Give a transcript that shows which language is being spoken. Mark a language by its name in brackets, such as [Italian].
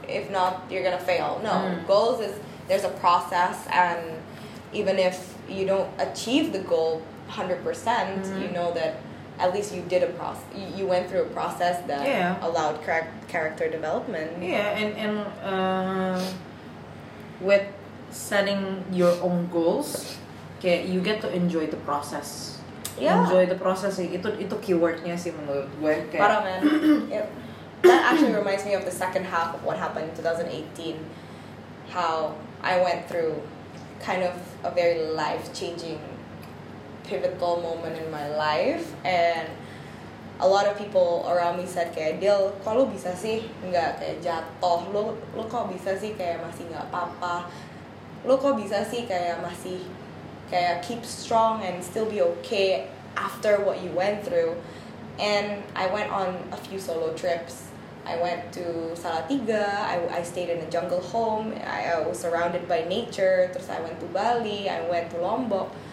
[English] If not, you're gonna fail. No, goals is there's a process, and even if you don't achieve the goal 100%, you know that at least you did a process. You went through a process that allowed character development. Yeah, and with setting your own goals, okay, you get to enjoy the process. Yeah. Enjoy the process. [Indonesian] Itu keywordnya sih menurut gue. [English] Okay. Parah, man. Yep. That actually reminds me of the second half of what happened in 2018. How I went through kind of a very life-changing, pivotal moment in my life. And a lot of people around me said, [Indonesian] kayak, Dil, kok lu bisa sih nggak kayak jatuh? Lu kok bisa sih kayak masih nggak apa-apa? Lu kok bisa sih kayak masih kayak [English] keep strong and still be okay after what you went through? And I went on a few solo trips. I went to Salatiga, I stayed in a jungle home, I was surrounded by nature, terus I went to Bali, I went to Lombok.